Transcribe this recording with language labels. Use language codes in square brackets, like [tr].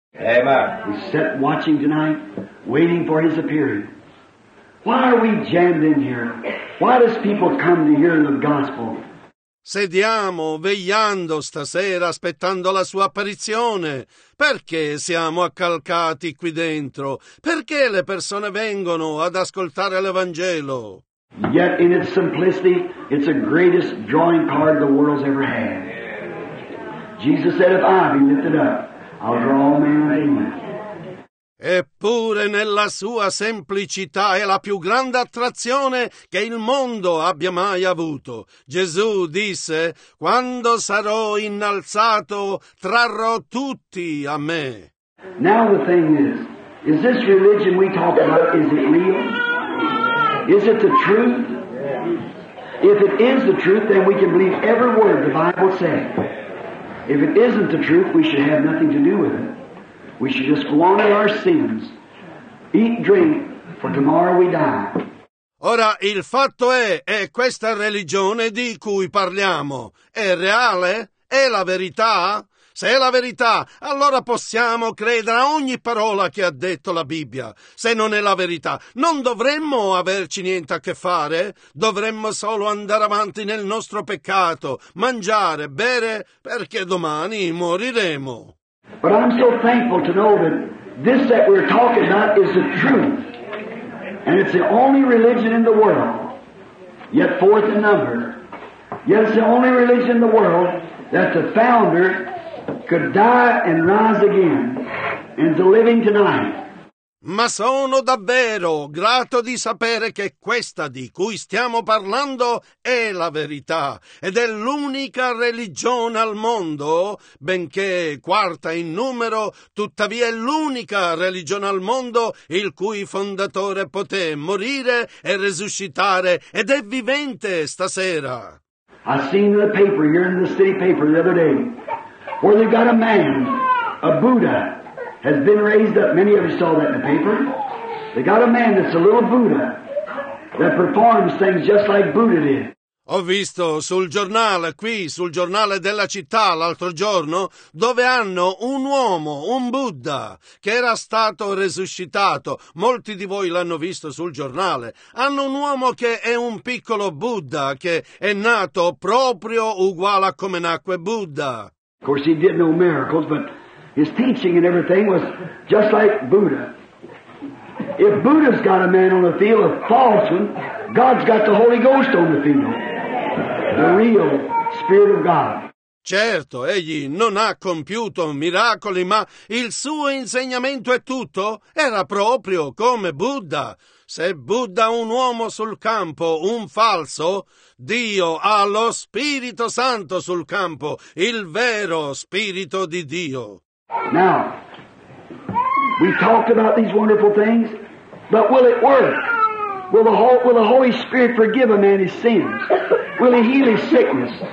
[en] Amen. We sat watching tonight, waiting for his appearing. Why are we jammed in here? Why does people come to hear the gospel? [it] Sediamo, vegliando stasera, aspettando la sua apparizione. Perché siamo accalcati qui dentro? Perché le persone vengono ad ascoltare l'Evangelo? [en] Yet in its simplicity, it's the greatest drawing card the world's ever had. Jesus said, if I be lifted up, I'll draw all men unto me. [it] Eppure nella sua semplicità è la più grande attrazione che il mondo abbia mai avuto. Gesù disse, quando sarò innalzato, trarrò tutti a me. [en] Now the thing is this religion we talk about, is it real? Is it the truth? If it is the truth, then we can believe every word the Bible says. If it isn't the truth, we should have nothing to do with it. We should just go on in our sins, eat, drink, for tomorrow we die. [it] Ora, il fatto è questa religione di cui parliamo, è reale? È la verità? Se è la verità, allora possiamo credere a ogni parola che ha detto la Bibbia. Se non è la verità, non dovremmo averci niente a che fare? Dovremmo solo andare avanti nel nostro peccato, mangiare, bere, perché domani moriremo. [en] But I'm so thankful to know that this that we're talking about is the truth. And it's the only religion in the world, yet fourth in number. Yet it's the only religion in the world that the founder could die and rise again into living tonight. [it] Ma sono davvero grato di sapere che questa di cui stiamo parlando è la verità ed è l'unica religione al mondo, benché quarta in numero, tuttavia è l'unica religione al mondo il cui fondatore poté morire e resuscitare ed è vivente stasera. [en] I seen the paper here in the city paper the other day where they've got a man, a Buddha, has been raised up. Many of you saw that in the paper. They got a man that's a little Buddha that performs things just like Buddha did. [it] Ho visto sul giornale, qui, sul giornale della città l'altro giorno, dove hanno un uomo, un Buddha, che era stato resuscitato. Molti di voi l'hanno visto sul giornale. Hanno un uomo che è un piccolo Buddha, che è nato proprio uguale a come nacque Buddha. [en] Of course he did no miracles, but his teaching and everything was just like Buddha. If Buddha's got a man on the field, a false one, God's got the Holy Ghost on the field, the real Spirit of God. [it] Certo, egli non ha compiuto miracoli, ma il suo insegnamento e tutto era proprio come Buddha. Se Buddha un uomo sul campo, un falso, Dio ha lo Spirito Santo sul campo, il vero Spirito di Dio. [en] Now, we've talked about these wonderful things, but will it work? Will the Holy Spirit forgive a man his sins? Will he heal his sickness?